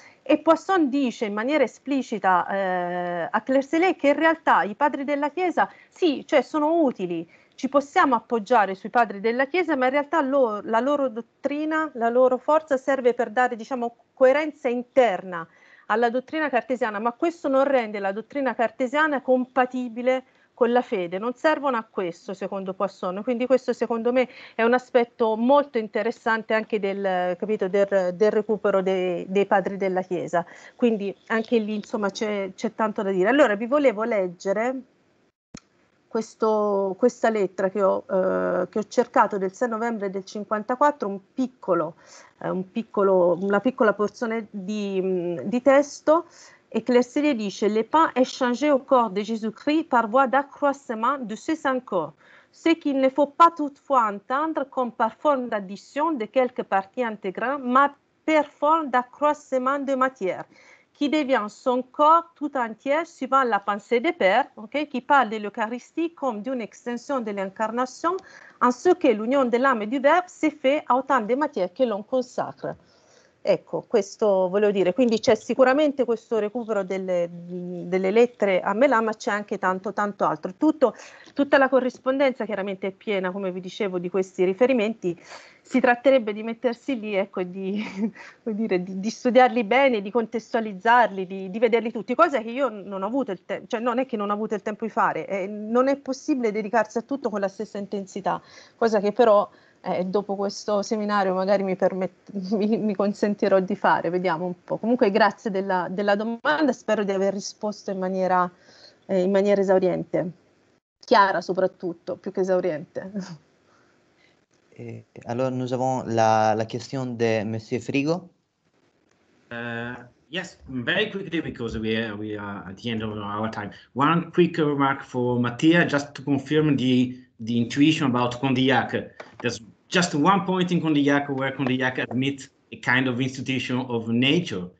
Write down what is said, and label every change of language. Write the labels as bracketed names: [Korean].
[Italian] e Poisson dice in maniera esplicita a Claire Sellier che in realtà i padri della Chiesa, sì, cioè sono utili, ci possiamo appoggiare sui padri della Chiesa, ma in realtà la loro dottrina, la loro forza serve per dare, diciamo, coerenza interna alla dottrina cartesiana, ma questo non rende la dottrina cartesiana compatibile con la fede, non servono a questo, secondo Poisson. Quindi questo secondo me è un aspetto molto interessante anche del recupero dei padri della Chiesa, quindi anche lì insomma c'è tanto da dire. [French] Allora vi volevo leggere questa lettera che ho cercato del 6 novembre del 54, una piccola porzione di testo, e Claire Sellier dice: «Le pain est changé au corps de Jésus-Christ par voie d'accroissement de ses cinq corps, ce qu'il ne faut pas toutefois entendre comme par forme d'addition de quelques parties intégrantes, ma per forme d'accroissement de matière. Qui devient son corps tout entier suivant la pensée des pères, okay, qui parle de l'Eucharistie comme d'une extension de l'incarnation, en ce que l'union de l'âme et du verbe s'est fait autant de matières que l'on consacre. » Ecco, questo volevo dire. [Italian] Quindi c'è sicuramente questo recupero delle lettere a Meland, ma c'è anche tanto, tanto altro. Tutta la corrispondenza chiaramente è piena, come vi dicevo, di questi riferimenti. Si tratterebbe di mettersi lì, ecco, di studiarli bene, di contestualizzarli, di vederli tutti, cosa che io non ho avuto il tempo, cioè non è che non ho avuto il tempo di fare, non è possibile dedicarsi a tutto con la stessa intensità, cosa che però dopo questo seminario magari mi consentirò di fare, vediamo un po'. Comunque grazie della domanda, spero di aver risposto in maniera esauriente, chiara soprattutto, più che esauriente. [French] Alors nous avons la question de Monsieur Frigo. [English] Yes, very quickly because we are at the end of our time. One quick remark for Mattia, just to confirm the intuition about Condillac. There's just one point in Condillac where Condillac admits a kind of institution of nature.